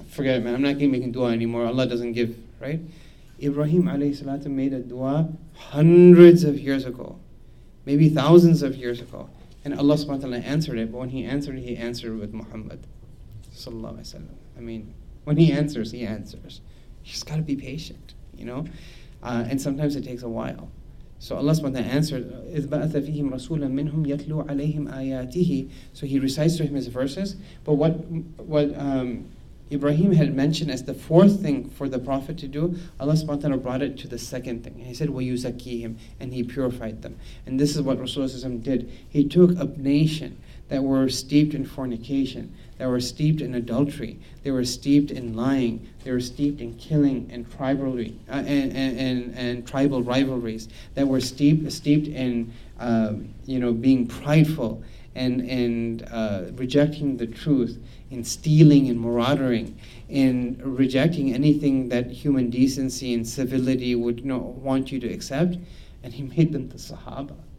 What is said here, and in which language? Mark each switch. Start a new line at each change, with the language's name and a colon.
English: Forget it, man. I'm not making dua anymore. Allah doesn't give, right? Ibrahim alayhi salatu made a dua hundreds of years ago, maybe thousands of years ago, and Allah subhanahu wa ta'ala answered it. But when he answered it with Muhammad sallallahu alayhi wa sallam. I mean, When he answers, he answers. You just got to be patient, you know? And sometimes it takes a while. So Allah SWT answered,
Arabic: إِذْ بَأَثَ فِيهِمْ رَسُولًا مِّنْهُمْ يَتْلُوا عَلَيْهِمْ آيَاتِهِ.
English: So he recites to him his verses. But what Ibrahim had mentioned as the fourth thing for the Prophet to do, Allah SWT brought it to the second thing. And he said,
Arabic: وَيُزَكِّيهِمْ.
English: And he purified them. And this is what Rasulullah SWT did. He took a nation that were steeped in fornication, that were steeped in adultery, they were steeped in lying, they were steeped in killing and rivalry, and tribal rivalries, that were steeped in being prideful and rejecting the truth, in stealing and marauding, in rejecting anything that human decency and civility would not want you to accept, and he made them the Sahaba.